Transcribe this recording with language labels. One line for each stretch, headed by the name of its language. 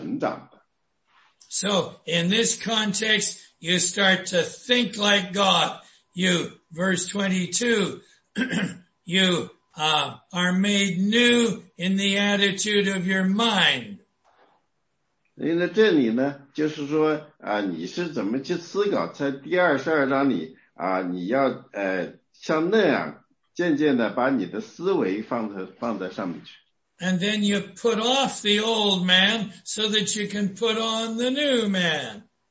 Chinese: 因为这就是呢，今天你做的什么，可以决定你明天成为什么样的人。你的人生是在不断的成长的。So
English: in this context, you start to think like God. You, verse 22, you are made new in the attitude of your mind.
Chinese: 因为这里呢，就是说，你是怎么去思考，在第二十二章里，你要像那样渐渐的把你的思维放在上面去。And
English: then you put off the old man so that you can put on the new man.